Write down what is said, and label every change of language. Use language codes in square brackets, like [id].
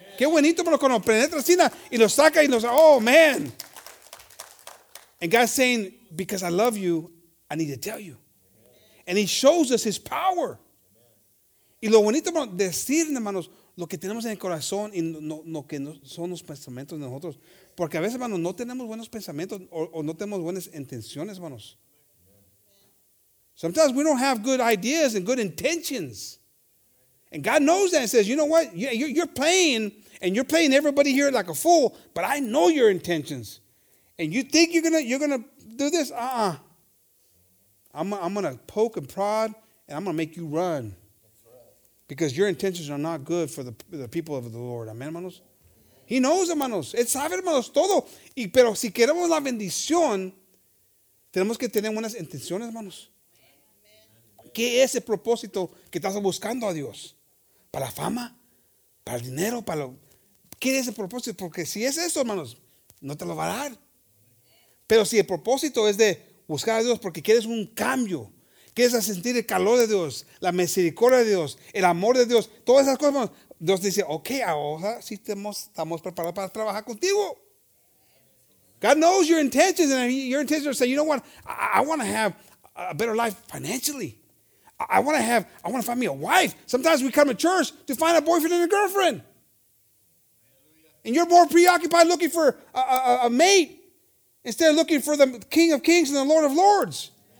[es] Qué bonito, cuando y lo saca y lo saca. [en] Oh, man. And God's saying, because I love you, I need to tell you. And he shows us his power. [es] Y lo bonito, hermano, decir, hermanos, lo que tenemos en el corazón y lo que son los pensamientos de nosotros. Porque a veces, hermano, no tenemos buenos pensamientos o no tenemos buenas intenciones, hermanos. [en] Sometimes we don't have good ideas and good intentions. And God knows that and says, you know what? You're playing, and you're playing everybody here like a fool, but I know your intentions. And you think you're gonna do this? Uh-uh. I'm going to poke and prod, and I'm going to make you run. Because your intentions are not good for the people of the Lord. [es] Amen, hermanos? [en] He knows, [es] hermanos. Él sabe, hermanos, todo. Y, pero si queremos la bendición, tenemos que tener buenas intenciones, hermanos. ¿Qué es el propósito que estás buscando a Dios? ¿Para la fama? ¿Para el dinero? ¿Para lo? ¿Qué es el propósito? Porque si es eso, hermanos, no te lo va a dar. Pero si el propósito es de buscar a Dios porque quieres un cambio, quieres sentir el calor de Dios, la misericordia de Dios, el amor de Dios, todas esas cosas, hermanos. Dios dice, ok, ahora sí estamos preparados para trabajar contigo. [en] God knows your intentions, and your intentions are saying, you know what, I want to have a better life financially. I want to find me a wife. Sometimes we come to church to find a boyfriend and a girlfriend. And you're more preoccupied looking for a mate instead of looking for the King of Kings and the Lord of Lords.